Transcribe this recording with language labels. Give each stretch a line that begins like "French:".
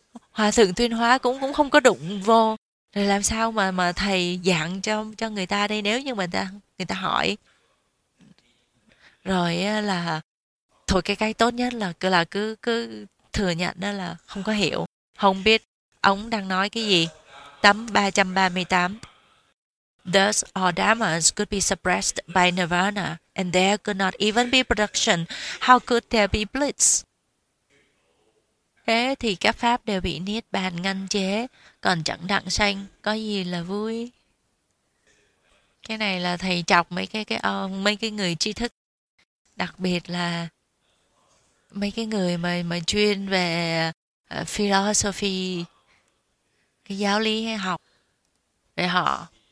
Vietnamese: Hòa Thượng Tuyên Hóa cũng không có đụng vô. Rồi làm sao mà thầy dạng cho người ta đây, nếu như mà người ta hỏi. Rồi là thôi, cái tốt nhất là cứ thừa nhận đó là không có hiểu, không biết ông đang nói cái gì. Tấm 338.
English: Thus all dhammas could be suppressed by nirvana and there could not even be production. How could there be bliss?
Vietnamese: Thế thì các pháp đều bị niết bàn ngăn chế, còn chẳng đặng sanh, có gì là vui? Cái này là thầy chọc mấy cái người tri thức, đặc biệt là mấy cái người mà chuyên về philosophy, cái giáo lý hay học về họ.